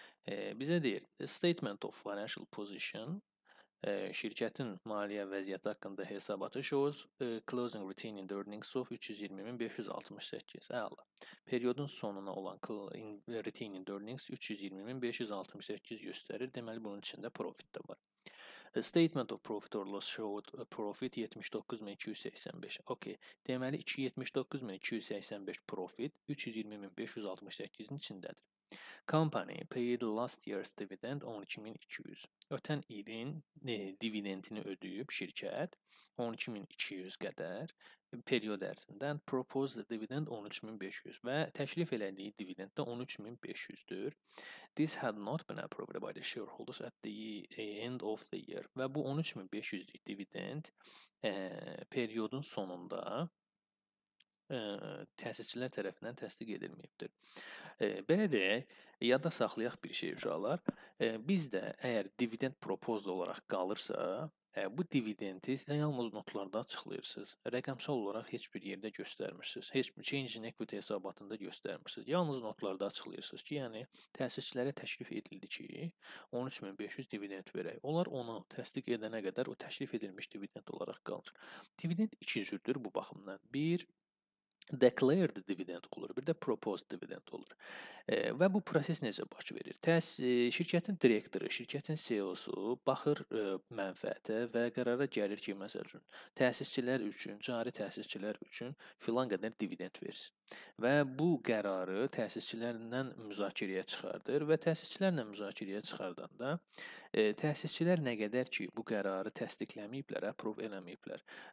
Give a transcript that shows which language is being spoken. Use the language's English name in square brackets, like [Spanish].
[Azerbaijani] Bizə deyir, [English] statement of financial position. [Azerbaijani] Şirkətin maliyyə vəziyyəti haqqında hesabatı [English] shows closing retained earnings of 320,568. [Azerbaijani] Əla. Periodun sonuna olan retained earnings 320,568 göstərir. Deməli, bunun içində profit də var. [English] A statement of profit or loss showed profit 79,285. Okay. [Azerbaijani] Deməli, 279,285 profit 320,568-in içindədir. [English] Company paid last year's dividend 12,200. [Azerbaijani] Ötən ilin dividendini ödəyib şirkət 12,200 qədər period ərzində. [English] Proposed dividend 13,500 [Azerbaijani] və təklif elədiyi dividend də 13,500-dür. [English] This had not been approved by the shareholders at the end of the year. [Azerbaijani] Və bu 13,500-lik dividend periodun sonunda təsisçilər tərəfindən təsdiq edilməyibdir. Belə də yada saxlayaq bir şey uşaqlar. Bizdə əgər dividend proposed olaraq qalırsa, bu dividendi sizə yalnız notlarda açıqlayırsınız. Rəqəmsal olaraq heç bir yerdə göstərmirsiniz. Heç bir change in equity hesabatında göstərmirsiniz. Yalnız notlarda açıqlayırsınız ki, yəni təsisçilərə təklif edildi ki, 13,500 dividend verək. Onlar onu təsdiq edənə qədər o təklif edilmiş dividend olaraq qalır. Dividend iki cürdür bu baxımdan. Bir, declared dividend olur, bir də proposed dividend olur. Və bu proses necə baş verir? Şirkətin direktoru, şirkətin CEO-su baxır mənfəətə və qərara gəlir ki, məsəl üçün, təsisçilər üçün, cari təsisçilər üçün filan qədər dividend versin. Və bu qərarı təsisçilərindən müzakirəyə çıxardır və təsisçilərlə müzakirəyə çıxardanda təsisçilər nə qədər ki, bu qərarı təsdiqləməyiblər, approve eləməyiblər.